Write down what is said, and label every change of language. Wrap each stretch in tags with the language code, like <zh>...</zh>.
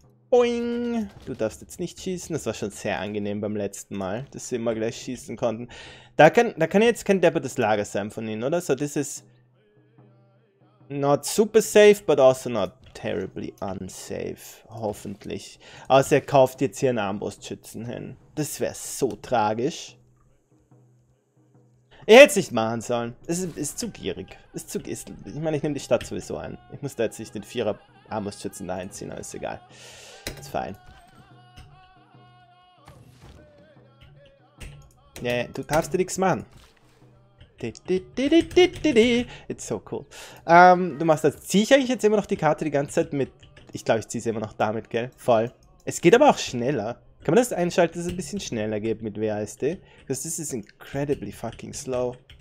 <de>Boing! Du darfst jetzt nicht schießen. Das war schon sehr angenehm beim letzten Mal, dass sie immer gleich schießen konnten. Da kann jetzt kein deppertes Lager sein von ihnen, oder?</de> <en>So, this is not super safe, but also not terribly unsafe.</en> <de>Hoffentlich. Außer er kauft jetzt hier einen Armbrustschützen hin. Das wäre so tragisch. Er hätte es nicht machen sollen. Es ist zu gierig. Ich meine, ich nehme die Stadt sowieso ein. Ich muss da jetzt nicht den Vierer Armbrustschützen da hinziehen, aber ist egal. Ist fein. Yeah, du darfst dir nichts machen.</de> <en>It's so cool.</en> <de>Du machst das. Ziehe ich eigentlich jetzt immer noch die Karte die ganze Zeit mit? Ich glaube, ich ziehe sie immer noch damit, gell? Voll. Es geht aber auch schneller. Kann man das einschalten, dass es ein bisschen schneller geht mit WASD?</de> <en>Because this is incredibly fucking slow.</en>